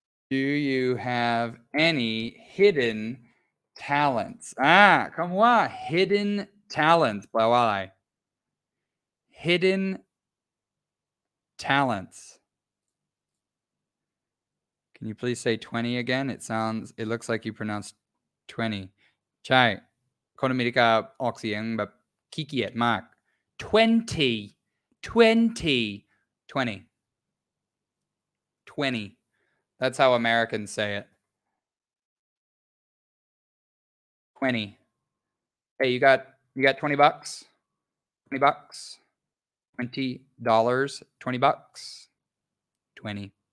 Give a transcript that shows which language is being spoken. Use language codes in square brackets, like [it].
[en] Do you have any hidden... Talents. [th] คำว่า hidden talents. แปลว่าอะไร Hidden talents. [en] Can you please say 20 again? It looks like you pronounced 20. [th] ใช่คนอเมริกาออกเสียงแบบขี้เกียจมาก20. [en] 20. 20. 20. That's how Americans say it. 20. Hey, you got You got $20? $20? $20? $20? 20.